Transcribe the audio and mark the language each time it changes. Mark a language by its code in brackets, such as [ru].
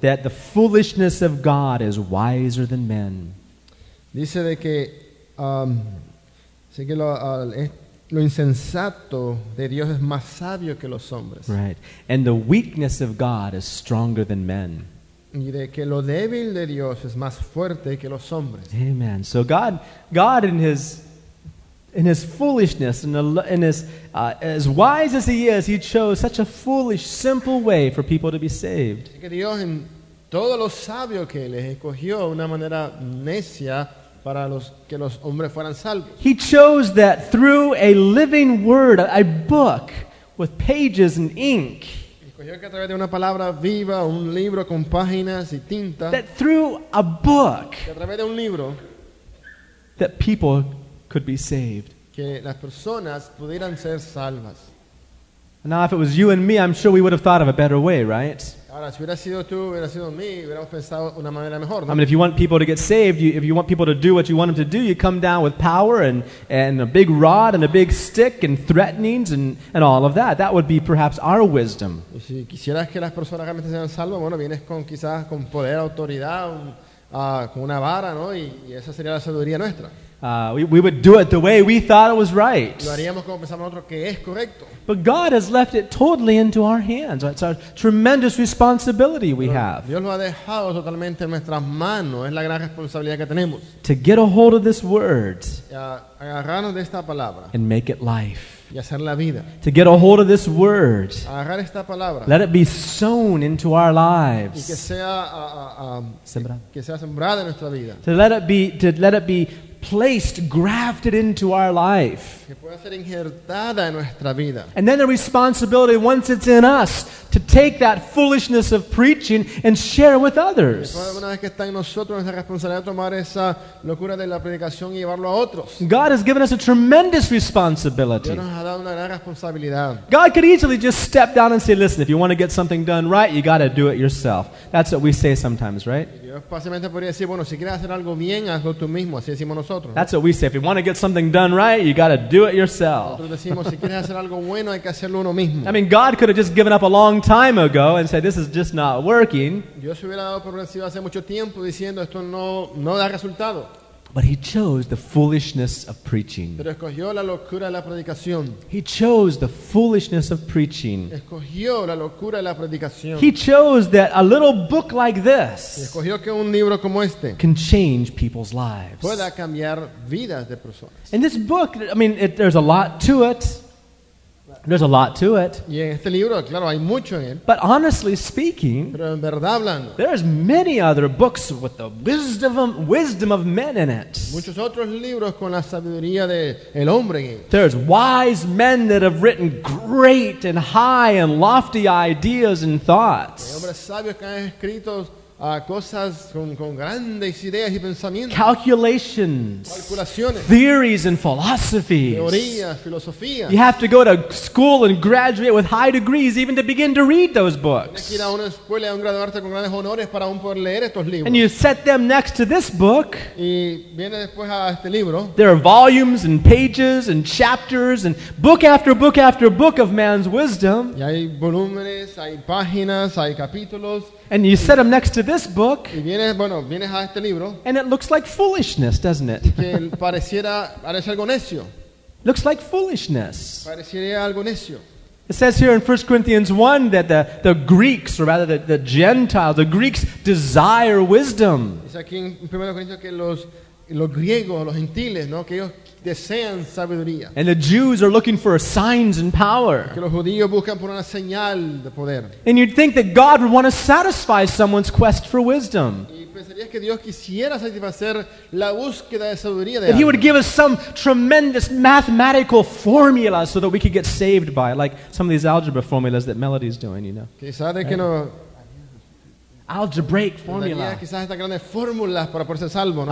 [en] that the foolishness of God is wiser than men. [es] Dice de que lo insensato de Dios es más sabio que los hombres. [en] Right. And the weakness of God is stronger than men. [es] Y de que lo débil de Dios es más fuerte que los hombres. [en] Amen. So God in his foolishness, in his as wise as he is, he chose such a foolish, simple way for people to be saved. [es] Dios, en todo lo sabio que él es, escogió una manera necia para que los hombres fueran salvos. [en] He chose that through a living word, a book with pages and ink. [es] Escogió que a través de una palabra viva, un libro con páginas y tinta. [en] That through a book. [es] A través de un libro. [en] That people could be saved. [es] Que las personas pudieran ser salvas. [en] Now, if it was you and me, I'm sure we would have thought of a better way, right? [es] Ahora, si hubiera sido tú, hubiera sido mí, hubiéramos pensado una manera mejor, ¿no? [en] I mean, if you want people to get saved, if you want people to do what you want them to do, you come down with power and a big rod and a big stick and threatenings and all of that. That would be perhaps our wisdom. [es] Y si quisieras que las personas realmente sean salvas, bueno, vienes con quizás con poder, autoridad, con una vara, ¿no? Y esa sería la sabiduría nuestra. [en] We would do it the way we thought it was right. [es] Lo haríamos como pensamos nosotros que es correcto. [en] But God has left it totally into our hands. It's a tremendous responsibility we have. [es] Dios lo ha dejado totalmente en nuestras manos. Es la gran responsabilidad que tenemos. [en] To get a hold of this word. [es] Agarrarnos de esta palabra. [en] And make it life. [es] Y hacer la vida. [en] To get a hold of this word. [es] Agarrar esta palabra. [en] Let it be sown into our lives. [es] Y que sea sembrada. Que sea sembrada en nuestra vida. [en] To let it be placed, grafted into our life. [es] Que pueda ser injertada en nuestra vida. [en] And then the responsibility, once it's in us, to take that foolishness of preaching and share with others. [es] Una vez que está en nosotros, nuestra responsabilidad es tomar esa locura de la predicación y llevarlo a otros. [en] God has given us a tremendous responsibility. [es] Dios nos ha dado una gran responsabilidad. [en] God could easily just step down and say, "Listen, if you want to get something done right, you got to do it yourself." That's what we say sometimes, right? [es] Dios fácilmente podría decir, bueno, si quieres hacer algo bien, hazlo tú mismo. Así decimos nosotros. [en] That's what we say. If you want to get something done right, you got to do it yourself. [es] Nosotros decimos, si quieres hacer algo bueno, hay que hacerlo uno mismo. [en] I mean, God could have just given up a long time ago and said, "This is just not working." [es] Dios hubiera dado por vencido hace mucho tiempo diciendo, esto no da resultado. [en] But he chose the foolishness of preaching. [es] Pero escogió la locura de la predicación. [en] He chose the foolishness of preaching. [es] Escogió la locura de la predicación. [en] He chose that a little book like this [es] y escogió que un libro como este [en] can change people's lives. [es] Pueda cambiar vidas de personas. [en] And this book, I mean, there's a lot to it. There's a lot to it. [es] Y en este libro, claro, hay mucho en él. [en] But honestly speaking, [es] pero en verdad hablando, [en] there's many other books with the wisdom of men in it. [es] Muchos otros libros con la sabiduría de el hombre en él. [en] There's wise men that have written great and high and lofty ideas and thoughts. [es] Hay hombres sabios que han escrito cosas con grandes ideas y pensamientos. [en] Calculations. [es] Calculaciones. [en] Theories and philosophies. [es] Teorías, filosofías. [en] You have to go to school and graduate with high degrees even to begin to read those books. [es] Tienes que ir a una escuela y a un graduarte con grandes honores para aún poder leer estos libros. [en] And you set them next to this book. [es] Y viene después a este libro. [en] There are volumes and pages and chapters and book after book after book of man's wisdom. [es] Y hay volúmenes, hay páginas, hay capítulos. [en] And you set them next to this book, [es] y vienes, bueno, vienes a este libro, [en] and it looks like foolishness, doesn't it? [es] Que pareciera, parece algo necio. [en] Looks like foolishness. [es] Pareciera algo necio. [en] It says here in 1 Corinthians 1 that the Greeks, or rather the Gentiles, the Greeks desire wisdom. [es] Es aquí en 1 Corintios que los griegos, los gentiles, ¿no? Que ellos desean sabiduría. [en] And the Jews are looking for signs and power. [es] Que los judíos buscan por una señal de poder. [en] And you'd think that God would want to satisfy someone's quest for wisdom. [es] Y pensarías que Dios quisiera satisfacer la búsqueda de sabiduría de alguien. [en] He would give us some tremendous mathematical formula so that we could get saved by it, like some of these algebra formulas that Melody's doing, you know. [es] Quizá de que no [en] algebraic formula. [es] Quizás estas grandes fórmulas para ponerse salvo, ¿no?